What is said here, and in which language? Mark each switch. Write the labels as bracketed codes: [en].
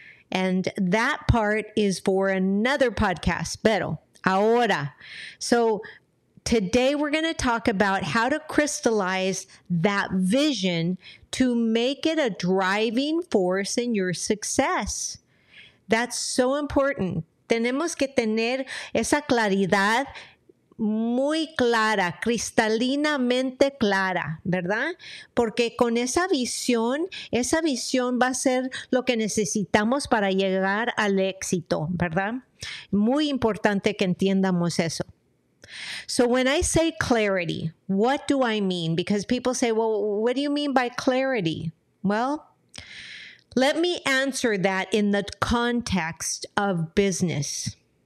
[en] And that part is for another podcast, [es] pero ahora. [en] So today we're going to talk about how to crystallize that vision to make it a driving force in your success. That's so important. [es] Tenemos que tener esa claridad muy clara, cristalinamente clara, ¿verdad? Porque con esa visión va a ser lo que necesitamos para llegar al éxito, ¿verdad? Muy importante que entiendamos eso. [en] So when I say clarity, what do I mean? Because people say, well, what do you mean by clarity? Well, let me answer that in the context of business.